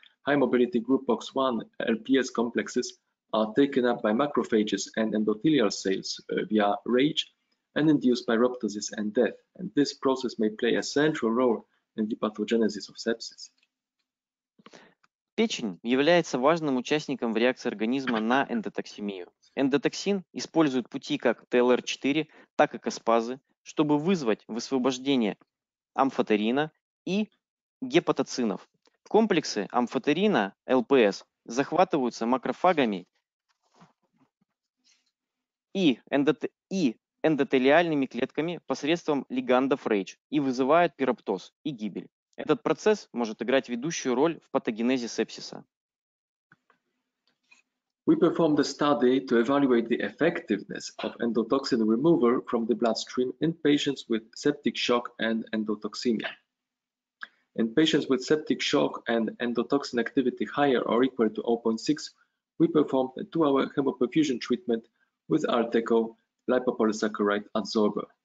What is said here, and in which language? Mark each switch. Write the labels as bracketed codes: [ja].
[en] High mobility group box 1 LPS complexes are taken up by macrophages and endothelial cells via RAGE and induce pyroptosis and death. And this process may play a central role in the pathogenesis of sepsis. [ru] Печень является важным участником в реакции организма на эндотоксемию. Эндотоксин использует пути как TLR4, так и каспазы, чтобы вызвать высвобождение амфотерина и гепатоцинов. Комплексы амфотерина LPS захватываются макрофагами и эндотелиальными клетками посредством лигандов RAGE и вызывают пироптоз и гибель. Этот процесс может играть ведущую роль в патогенезе сепсиса. [en] We performed a study to evaluate the effectiveness of endotoxin removal from the bloodstream in patients with septic shock and endotoxemia. In patients with septic shock and endotoxin activity higher or equal to 0.6, we performed a 2-hour hemoperfusion treatment with Arteco lipopolysaccharide adsorber.